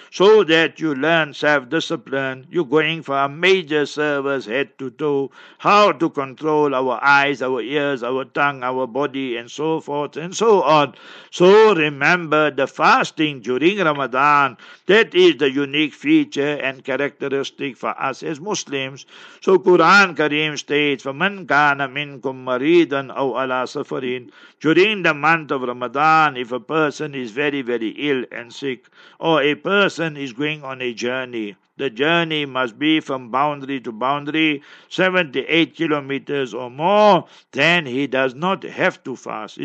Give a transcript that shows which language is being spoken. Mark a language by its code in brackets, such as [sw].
[en] So that you learn self-discipline. You're going for a major service head to toe. How to control our eyes, our ears, our tongue, our body and so forth and so on. So remember the fasting during Ramadan, that is the unique feature and characteristic for us as Muslims. So Quran Kareem states, [ar] فَمَنْ كَانَ مِنْكُمْ مَرِيدًا أَوْ عَلَىٰ سَفَرٍ. [en] During the month of Ramadan, if a person is very, very ill and sick, or a person is going on a journey, the journey must be from boundary to boundary, 78 kilometers or more, then he does not have to fast.